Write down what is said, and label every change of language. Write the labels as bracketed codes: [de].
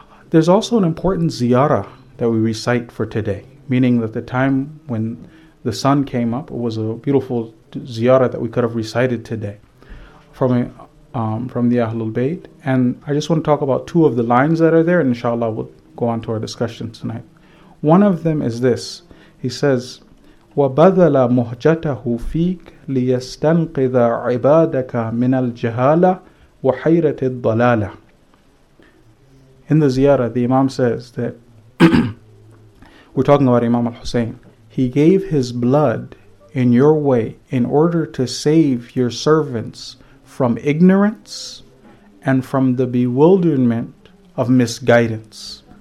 [en] There's also an important ziyarah that we recite for today, meaning that the time when the sun came up, it was a beautiful ziyarah that we could have recited today from the Ahlul Bayt. And I just want to talk about two of the lines that are there, and inshallah we'll go on to our discussion tonight. One of them is this. [ar] He says, وَبَذَلَ مُهْجَتَهُ فِيكْ لِيَسْتَنْقِذَ عِبَادَكَ مِنَ الْجَهَالَةِ وَحَيْرَةِ الضَّلَالَةِ. [en] In the ziyarah, the Imam says that, we're talking about Imam al-Husayn, he gave his blood in your way in order to save your servants from ignorance and from the bewilderment of misguidance.